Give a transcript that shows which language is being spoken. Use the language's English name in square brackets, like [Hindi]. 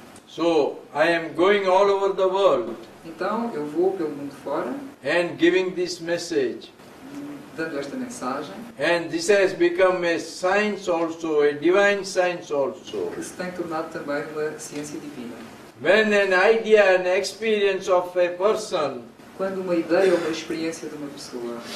[English] So, I am going all over the world. [Portuguese] Então, eu vou pelo mundo fora. [English] And giving this message. [Portuguese] Dando esta mensagem. [English] And this has become a science also, a divine science also. [Portuguese] Que se tem tornado também uma ciência divina. [English] When an idea, an experience of a person. [Portuguese] Quando uma ideia ou uma experiência de uma pessoa.